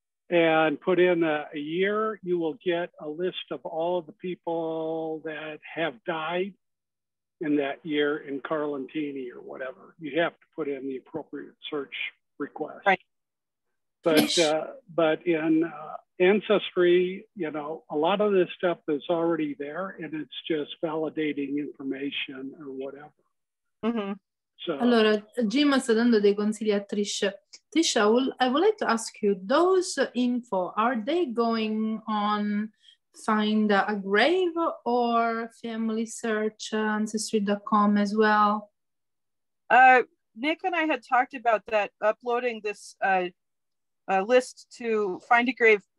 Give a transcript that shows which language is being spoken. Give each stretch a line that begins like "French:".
English: and put in a year, you will get a list of all of the people that have died in that year in Carlentini or whatever. You have to put in the appropriate search request. Right. But in Ancestry, a lot of this stuff is already there and it's just validating information or whatever.
Italian: Allora, Jim sta dando dei consigli a Trish.
English: Trish, I would like to ask you, those info, are they going on find a grave or family search ancestry.com as well? Nick and I had talked about that, uploading this list to Find a Grave.